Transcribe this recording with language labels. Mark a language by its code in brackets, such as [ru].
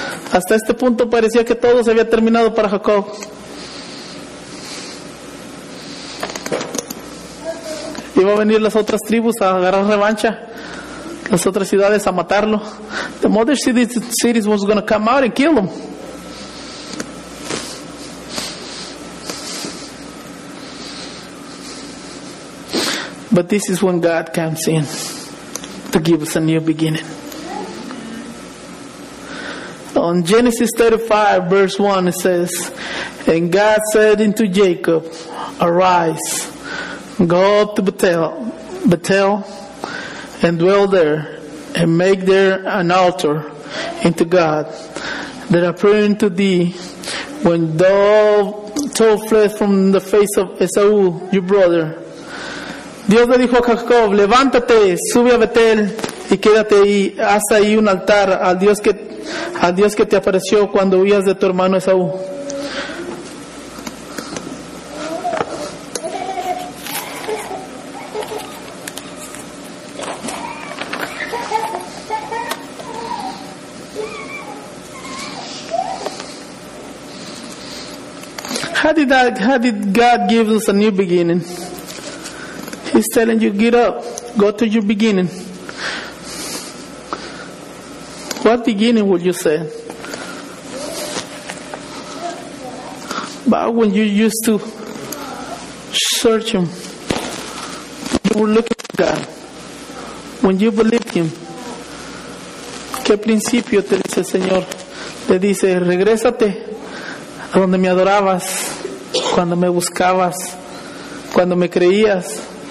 [es] Hasta este punto parecía que todo se había terminado para Jacob. Iba a venir las otras tribus a agarrar revancha, las otras ciudades a matarlo. [en] The mother cities was going to come out and kill him. But this is when God comes in to give us a new beginning. On Genesis 35, verse 1, it says, "And God said unto Jacob, Arise, go up to Bethel, and dwell there, and make there an altar unto God, that appeared unto thee when thou fled from the face of Esau, your brother." [es] Dios le dijo a Jacob, levántate, sube a Betel y quédate ahí, haz ahí un altar al Dios que te apareció cuando huías de tu hermano Esaú. [en] How did God give us a new beginning? He's telling you, get up, go to your beginning. What beginning would you say? About when you used to search Him, you were looking for God, when you believed Him. [es] ¿Qué principio te dice el Señor? Te dice, regrésate a donde me adorabas, cuando me buscabas, cuando me creías.